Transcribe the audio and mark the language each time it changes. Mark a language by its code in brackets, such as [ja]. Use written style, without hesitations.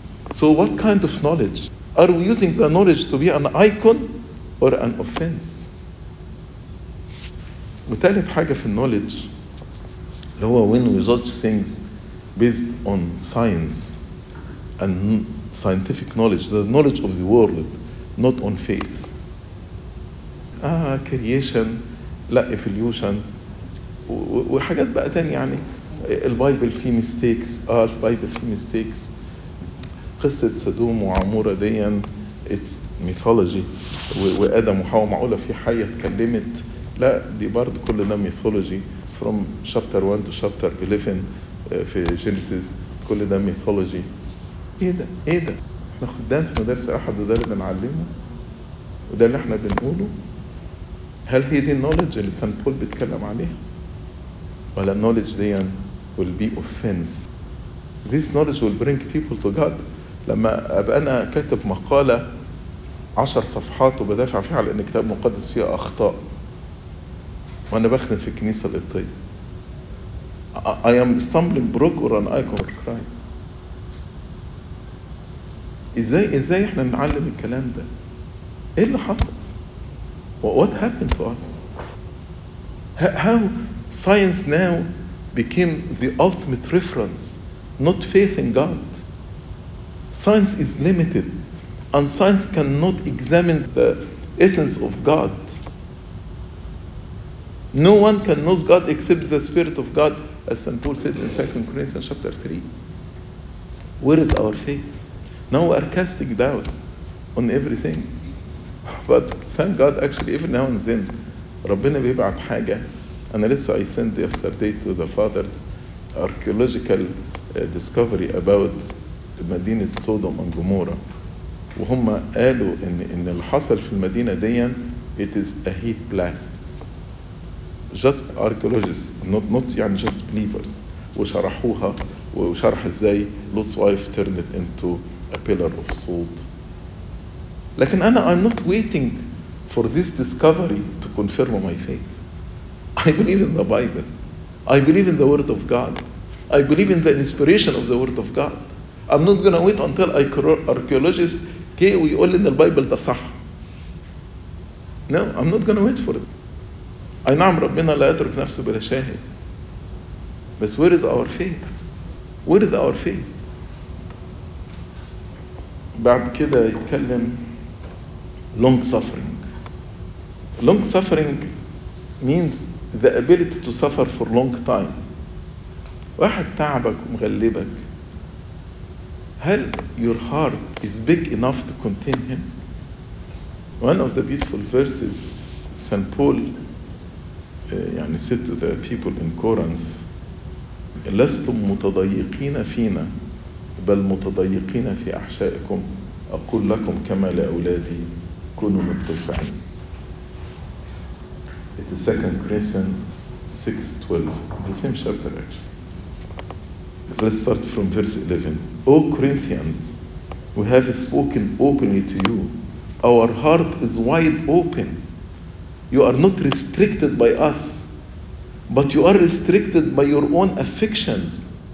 [en] So what kind of knowledge? Are we using the knowledge to be an icon or an offense? وثالث حاجة في knowledge اللي هو when we judge things based on science and scientific knowledge, the knowledge of the world, not on faith. [ar] Creation, لا evolution, وحاجات بقى تاني يعني البايبل فيه ميستيكس، البايبل فيه ميستيكس، قصة سدوم وعمورة دي it's mythology، وآدم وحواء معقولة في حياة اتكلمت، لا دي برضو كل ده ميثولوجي from chapter 1 to chapter 11 في جينيسيس، كل ده ميثولوجي. ايه ده احنا خدام في مدارس احد وده اللي بنعلمه وده اللي احنا بنقوله؟ هل هي دي النوليدج اللي سان بول بيتكلم عليها؟ ولا knowledge دي will be offense. [en] This knowledge will bring people to God. لما أبقى أنا كاتب مقالة [ar] عشر صفحات وبدافع فيها لأن كتاب مقدس فيها أخطاء وأنا بخدم في الكنيسة القبطية. [en] I am stumbling block or an icon of Christ. [ar] إزاي إحنا نعلم الكلام ده؟ إيه اللي حصل؟ What happened to us? [en] How science now became the ultimate reference, not faith in God? Science is limited, and science cannot examine the essence of God. No one can know God except the Spirit of God, as St. Paul said in 2 Corinthians chapter 3. Where is our faith? Now we are casting doubts on everything. But thank God, actually, every now and then, ربنا بيبعت حاجة. And also I sent yesterday to the father's archaeological discovery about مدينة Sodom and Gomorrah. [ar] وهم قالوا إن اللي حصل في المدينة دي it is a heat blast. [en] Just archaeologists, not يعني just believers. وشرحوها وشرح إزاي Lot's wife turned it into a pillar of salt. لكن أنا I'm not waiting for this discovery to confirm my faith. I believe in the Bible. I believe in the Word of God. I believe in the inspiration of the Word of God. I'm not going to wait until archaeologists okay, we all in the Bible ده صح. No, I'm not going to wait for it. أي نعم ربنا لا يترك نفسه بلا شاهد. But where is our faith? Where is our faith? [ar] بعد كده يتكلم long suffering. [en] Long suffering means the ability to suffer for long time. [ar] واحد تعبك ومغلبك. [en] هل your heart is big enough to contain him? One of the beautiful verses, St. Paul يعني said to the people in Corinth, لستم متضيقين فينا بل متضيقين في أحشائكم. [ar] أقول لكم كما لأولادي كونوا متضيقين. [en] It is 2 Corinthians 6:12, the same chapter actually. Let's start from verse 11. O Corinthians, we have spoken openly to you. Our heart is wide open. You are not restricted by us, but you are restricted by your own affections.